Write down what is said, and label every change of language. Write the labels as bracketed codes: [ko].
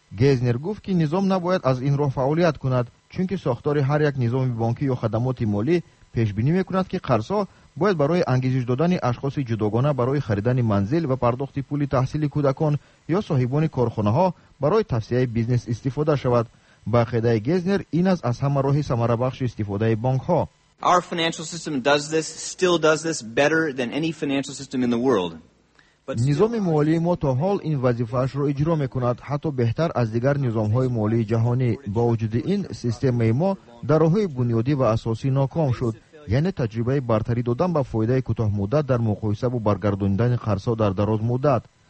[fa] گیزنر گفت که نظام نباید از این راه فعالیت کند، چونکه ساختار هر یک نظام بانکی یا خدمات مالی پیش بینی میکند که قرضها باید برای انگیزش دادن اشخاص جداگانه برای خریدن منزل و پرداخت پول تحصیل کودکان یا صاحبان کارخانه ها برای توسعه بیزنس استفاده شود. با عقیده گیزنر این از همه راه ثمره بخش استفاده بانک ها. [en] Our financial system does this, still does this better than any financial system in the world. [fa] نظام مالی ما تا حال این وظیفه اش را اجرا میکند، حتی بهتر از دیگر نظام های مالی جهانی. با وجود این سیستم ما در راه بنیادی و اساسی ناکام شد، یعنی تجربه برتری دادن به فایده کوتاه مدت در مقایسه با برگردوندن قرض ها در دراز مدت.